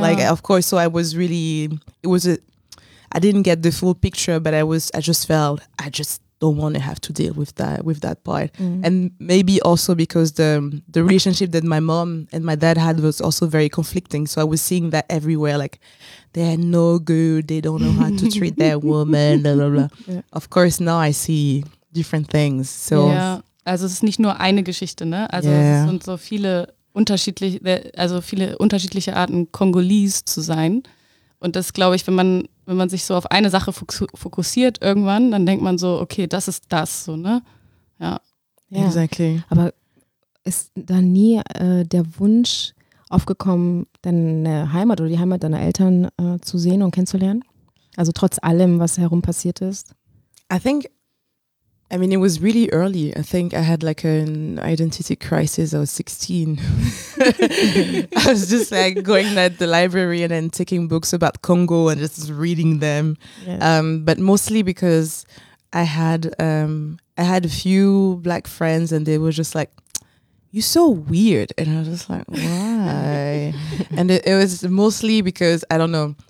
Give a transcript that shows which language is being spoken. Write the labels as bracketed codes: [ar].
[en] Like, of course, so I was really, I didn't get the full picture, but I just don't want to have to deal with that part. And maybe also because the relationship that my mom and my dad had was also very conflicting, so I was seeing that everywhere, like, they're no good, they don't know how to treat their woman, blah, blah, blah. Yeah. Of course now I see different things, so yeah. [de] Also es ist nicht nur eine Geschichte, ne? Also yeah. Es sind so viele unterschiedliche Arten Kongolese zu sein. Und das, glaube ich, wenn man sich so auf eine Sache fokussiert irgendwann, dann denkt man so, okay, das ist das, so, ne? Ja. [en] Yeah. Exactly. [de] Aber ist da nie der Wunsch aufgekommen, deine Heimat oder die Heimat deiner Eltern zu sehen und kennenzulernen? Also trotz allem, was herum passiert ist? [en] I mean, it was really early. I think I had like an identity crisis. I was 16. I was just like going at the library and then taking books about Congo and just reading them. Yes. But mostly because I had a few black friends and they were just like, "You're so weird." And I was just like, "Why?" And it was mostly because, I don't know,